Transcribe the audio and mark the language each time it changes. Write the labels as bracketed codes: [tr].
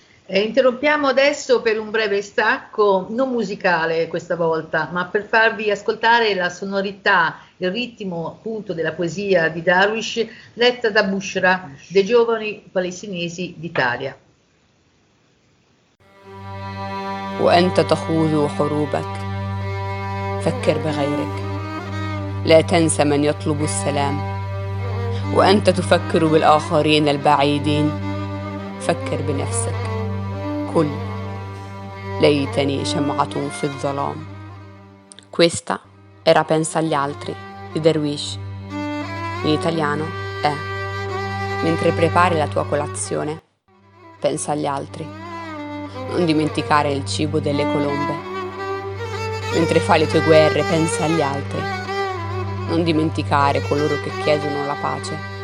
[it] E interrompiamo adesso per un breve stacco, non musicale questa volta, ma per farvi ascoltare la sonorità, il ritmo appunto della poesia di Darwish, letta da Bushra, dei giovani palestinesi d'Italia. [ar] وأنت تخوض حروبك فكر بغيرك لا تنسى من يطلب السلام وأنت تفكر بالآخرين البعيدين فكر بنفسك كل ليتني شمعة في الظلام. [it] Questa era Pensa agli altri di Derwish, in italiano è Mentre prepari la tua colazione pensa agli altri. Non dimenticare il cibo delle colombe. Mentre fai le tue guerre, pensa agli altri. Non dimenticare coloro che chiedono la pace.